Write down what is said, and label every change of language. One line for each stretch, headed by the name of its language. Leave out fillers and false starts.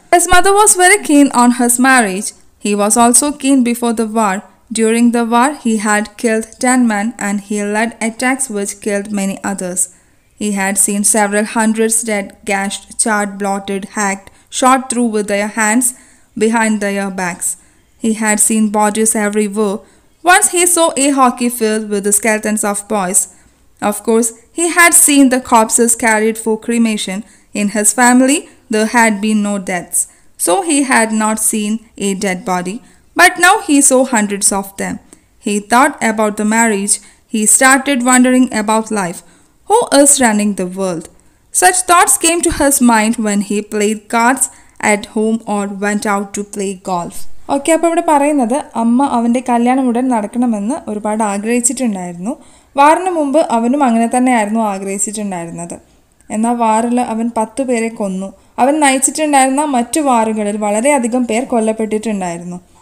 English: His mother was very keen on his marriage. He was also keen before the war. During the war he had killed 10 men and he led attacks which killed many others. He had seen several hundreds dead, gashed, charred, bloated, hacked, shot through with their hands behind their backs. He had seen bodies everywhere. Once he saw a hockey field with the skeletons of boys. Of course, he had seen the corpses carried for cremation. In his family, there had been no deaths. So he had not seen a dead body. But now he saw hundreds of them. He thought about the marriage. He started wondering about life. Who is running the world? Such thoughts came to his mind when he played cards at home or went out to play golf.
Malayalam: Okay, അപ്പോൾ ഇവിടെ പറയുന്നത് അമ്മ അവൻ്റെ കല്യാണം ഉടൻ നടക്കണമെന്ന് ഒരുപാട് ആഗ്രഹിച്ചിട്ടുണ്ടായിരുന്നു. വാറിന് മുമ്പ് അവനും അങ്ങനെ തന്നെയായിരുന്നു ആഗ്രഹിച്ചിട്ടുണ്ടായിരുന്നത്. എന്നാൽ വാറിൽ അവൻ 10 പേരെ കൊന്നു. അവൻ നയിച്ചിട്ടുണ്ടായിരുന്ന മറ്റു വാറുകളിൽ വളരെയധികം പേർ കൊല്ലപ്പെട്ടിട്ടുണ്ടായിരുന്നു.